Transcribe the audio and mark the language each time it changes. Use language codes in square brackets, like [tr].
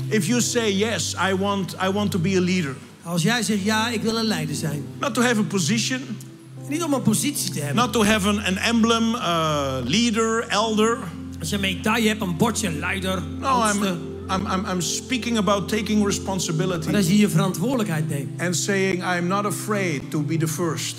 [en] If you say yes, I want to be a leader. [nl] Als jij zegt ja, ik wil een leider zijn. [en] Not to have a position. [nl] Niet om een positie te hebben. [en] Not to have an emblem, leader, elder. [nl] Als je medaille hebt, een bordje, leider. [en] No, I'm speaking about taking responsibility. [nl] Maar dat je verantwoordelijkheid neemt. [en] And saying I'm not afraid to be the first.